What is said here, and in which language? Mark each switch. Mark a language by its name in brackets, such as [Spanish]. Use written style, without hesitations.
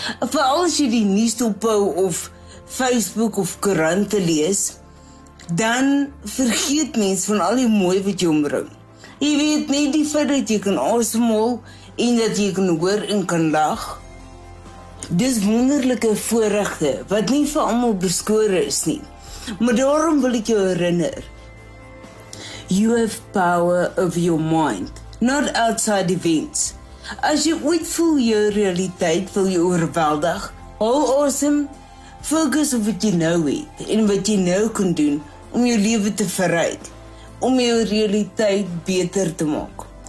[Afrikaans] Vooral as jy die nuus ophou of Facebook of koerante lees, dan vergeet mens van al die mooi wat jy omring. Jy weet net die feit dat jy kan asemhaal en dat jy kan hoor en kan lag. Dis wonderlike voorregte wat nie vir almal beskore is nie. Maar daarom wil ek jou herinner. [English] You have power of your mind. Not outside events. [Afrikaans] As jy ooit voel jou realiteit, voel jy oorweldig, [English] how awesome, [Afrikaans] focus op wat jy nou weet en wat jy nou kan doen om jou lewe te verryk, om jou realiteit beter te maak.